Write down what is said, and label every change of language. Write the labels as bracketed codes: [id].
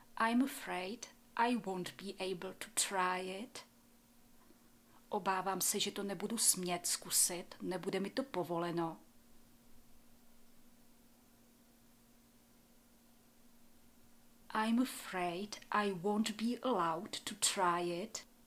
[en] I'm afraid I won't be able to try it. [cs] Obávám se, že to nebudu smět zkusit, nebude mi to povoleno. [en] I'm afraid I won't be allowed to try it.